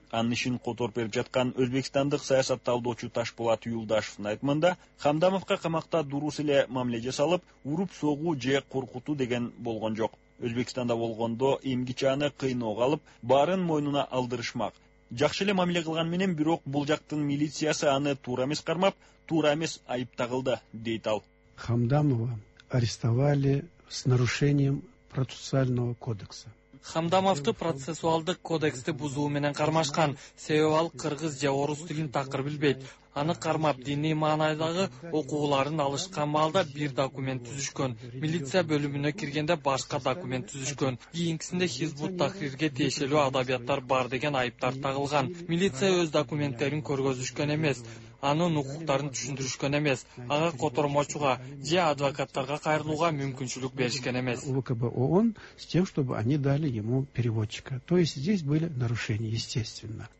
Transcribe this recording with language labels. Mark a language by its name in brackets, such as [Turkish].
[Kyrgyz] Анын ишин которуп берип жаткан өзбекстандык саясат талдоочу Ташпулат Юлдашевдин айтымында Хамдамовго камакта дурус эле мамиле жасалып, уруп согуу же коркутуу деген болгон жок. Өзбекстанда болгондо эмгичи аны кыйноого алып, баарын мойнуна алдырышмак. Жакшы эле мамиле кылган менен бирок бул жактын милициясы аны туура эмес кармап, туура эмес айып тагылды, дейт ал. [Russian] Хамдамова арестовали с нарушением процессуального кодекса. [Kyrgyz] Хамдамовду процессуалдык кодексти бузуу менен кармашкан, себеби ал кыргыз же орус тилин такыр билбейт. Аны кармап, диний маанайдагы окууларын алышкан маалда бир документ түзүшкөн. Милиция бөлүмүнө киргенде башка документ түзүшкөн. Кийинкисинде Хизбут Тахрирге тиешелүү адабияттар бар деген айыптар тагылган. Милиция өз документтерин көргөзүшкөн эмес. Анын укуктарын түшүндүрүшкөн эмес, ага котормочуга же адвокаттарга кайрылууга мүмкүнчүлүк беришкен эмес. [Russian] УКБ ООН с тем, чтобы они дали ему переводчика. То есть здесь были нарушения, естественно.